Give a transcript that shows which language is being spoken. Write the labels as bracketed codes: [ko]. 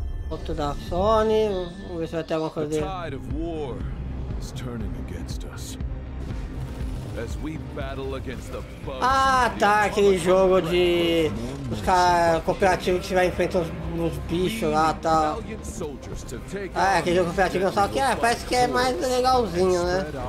[pt] Outro da Sony, vamos ver se vai ter alguma coisa dele. [en] The tide of war is turning against us. As we battle against the bugs. [pt] Ah, tá, aquele jogo de os caras cooperativos que você vai enfrentar os bichos lá e tal. Ah, aquele jogo cooperativo só que é, parece que é mais legalzinho, né?